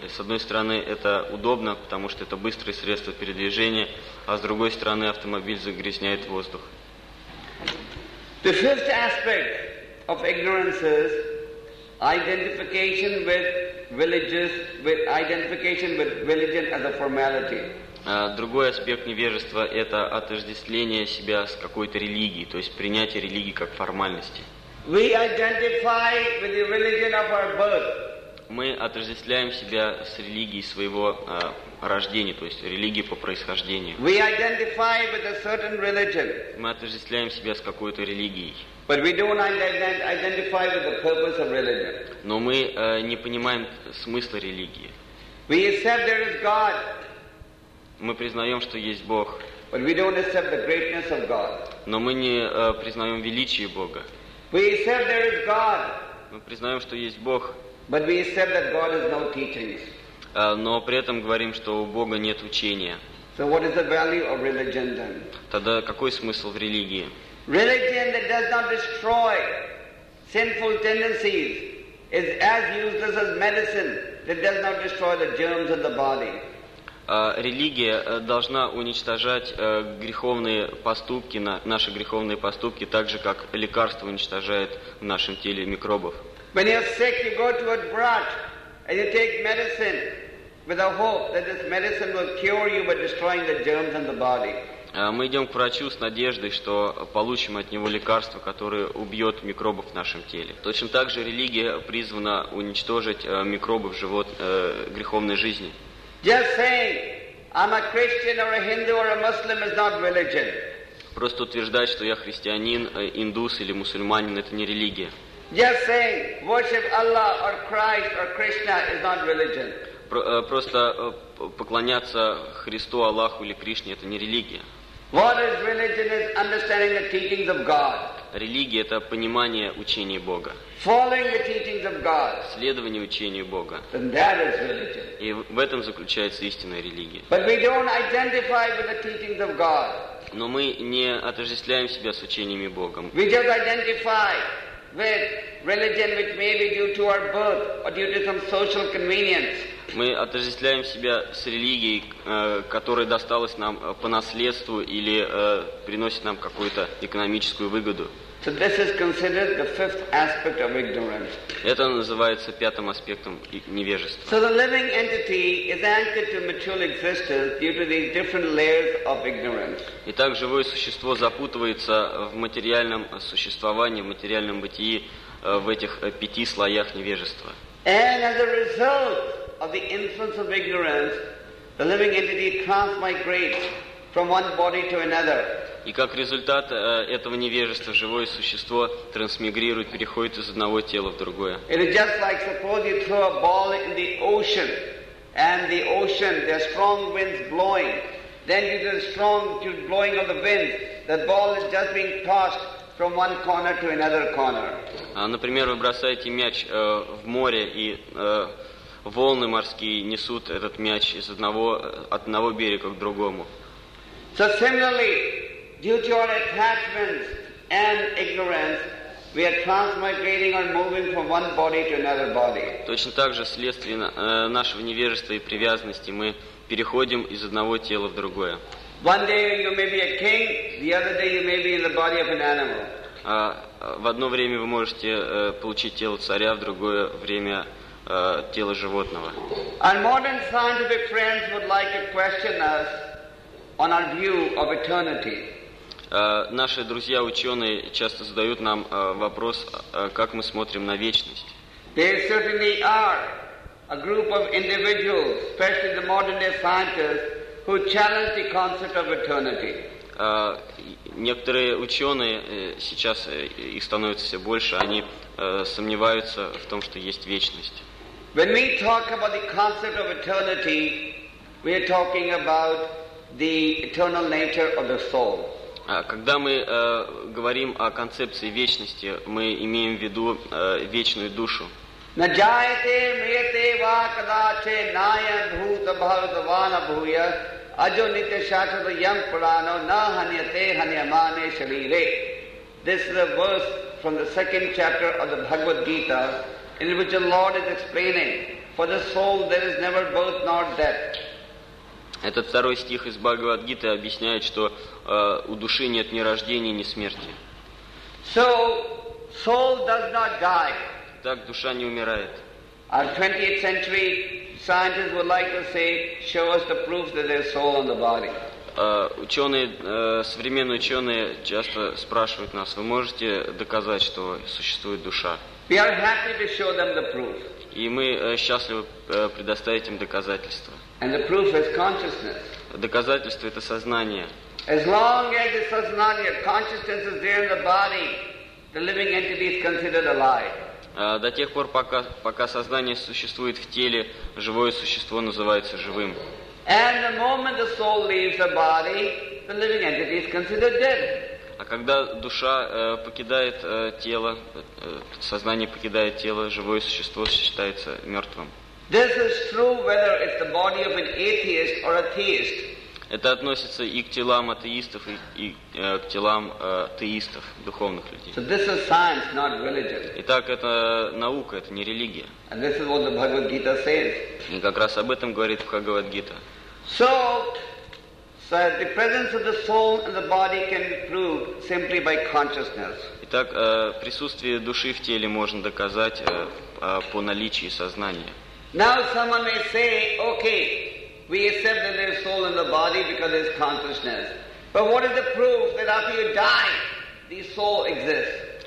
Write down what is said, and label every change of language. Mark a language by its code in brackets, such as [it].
[ru] С одной стороны, это удобно, потому что это быстрое средство передвижения, а с другой стороны, автомобиль загрязняет воздух. [en] The fifth aspect of ignorance is identification with religion as a formality. [ru] Другой аспект невежества – это отождествление себя с какой-то религией, то есть принятие религии как формальности. [en] We identify with the religion of our birth. [ru] Мы отождествляем себя с религией своего рождения, то есть религией по происхождению. [en] We identify with a certain religion. [ru] Мы отождествляем себя с какой-то религией. [en] But we don't identify with the purpose of religion. [ru] Но мы не понимаем смысла религии. [en] We accept there is God. [ru] Мы признаем, что есть Бог. [en] But we don't accept the greatness of God. [ru] Но мы не признаем величие Бога. [en] We accept there is God. [ru] Мы признаем, что есть Бог. [en] But we accept that God has no teachings. [ru] Но при этом говорим, что у Бога нет учения. [en] So what is the value of religion then? [ru] Тогда какой смысл в религии? [en] Religion that does not destroy sinful tendencies is as useless as medicine that does not destroy the germs of the body. [ru] Религия должна уничтожать греховные поступки, наши греховные поступки, так же, как лекарство уничтожает в нашем теле микробов. [en] When you're sick, you go to a brat and you take medicine with the hope that this medicine will cure you by destroying the germs in the body. [ru] Мы идем к врачу с надеждой, что получим от него лекарство, которое убьет микробов в нашем теле. Точно так же религия призвана уничтожить микробы в живот греховной жизни. [en] Just saying, I'm a Christian or a Hindu or a Muslim is not religion. [ru] Просто утверждать, что я христианин, индус или мусульманин, это не религия. [en] Just saying, worship Allah or Christ or Krishna is not religion. [ru] Просто поклоняться Христу, Аллаху или Кришне, это не религия. [en] What is religion is understanding the teachings of God. [ru] Религия — это понимание учений Бога. [en] Following the teachings of God. [ru] Следование учению Бога. [en] And that is religion. [ru] И в этом заключается истинная религия. [en] But we don't identify with the teachings of God. [ru] Но мы не отождествляем себя с учениями Бога. [en] We just identify with religion which may be due to our birth or due to some social convenience. [ru] Мы отождествляем себя с религией, которая досталась нам по наследству или приносит нам какую-то экономическую выгоду. [en] So this is considered the fifth aspect of ignorance. [ru] Это называется пятым аспектом невежества. [en] So the living entity is anchored to material existence due to these different layers of ignorance. [ru] Итак, живое существо запутывается в материальном существовании, в материальном бытии в этих пяти слоях невежества. [en] And as a result of the influence of ignorance, the living entity transmigrates from one body to another. [ru] И как результат этого невежества живое существо трансмигрирует, переходит из одного тела в другое. [en] It is just like suppose you throw a ball in the ocean, and the ocean there are strong winds blowing. Then due to the strong blowing of the wind, that ball is just being tossed from one corner to another corner. [ru] Например, вы бросаете мяч в море и волны морские несут этот мяч из одного берега к другому. [en] So similarly, due to our attachments and ignorance, we are transmigrating or moving from one body to another body. [ru] Точно так же, вследствие нашего невежества и привязанности, мы переходим из одного тела в другое. [en] One day you may be a king, the other day you may be in the body of an animal. [ru] В одно время вы можете получить тело царя, в другое время тело животного. [en] Our modern scientific friends would like to question us on our view of eternity. [ru] Наши друзья ученые часто задают нам вопрос, как мы смотрим на вечность. [en] There certainly are a group of individuals, especially the modern day scientists, who challenge the concept of eternity. [ru] Некоторые ученые сейчас их становится все больше, они сомневаются в том, что есть вечность. [en] When we talk about the concept of eternity, we are talking about the eternal nature of the soul. [ru] Когда мы говорим о концепции вечности, мы имеем в виду вечную душу. [sa] На джайте мрите ва кадаче ная бхута бхавадвана бхуя аджо нитя шатата ям прано на ханьяте ханьямане шариле. [en] This is a verse from the second chapter of the Bhagavad Gita, in which the Lord is explaining, for the soul there is never birth nor death. [ru] Этот второй стих из Бхагавад-гиты объясняет, что у души нет ни рождения, ни смерти. [en] So, soul does not die. [ru] Так душа не умирает. [en] Our 20th century scientists would like to say, show us the proof that there is soul in the body. [ru] Современные ученые часто спрашивают нас, вы можете доказать, что существует душа? [en] We are happy to show them the proof. [ru] И мы счастливы предоставить им доказательства. [en] And the proof is consciousness. [ru] Доказательство — это сознание. [en] As long as the сознание, consciousness is there in the body, the living entity is considered alive. [ru] До тех пор, пока сознание существует в теле, живое существо называется живым. [en] And the moment the soul leaves the body, the living entity is considered dead. [ru] А когда душа покидает тело, сознание покидает тело, живое существо считается мертвым. [en] This is true whether it's the body of an atheist or a theist. [ru] Это относится и к телам атеистов, и к телам теистов, духовных людей. [en] So this is science, not religion. [ru] Итак, это наука, это не религия. [en] And this is what the Bhagavad Gita says. [ru] И как раз об этом говорит Бхагавад Гита. [en] So the presence of the soul and the body can be proved simply by consciousness. [ru] Итак, присутствие души в теле можно доказать по наличии сознания. [en] Now someone may say, okay, we accept that there is soul in the body because there is consciousness. But what is the proof that after you die, the soul exists?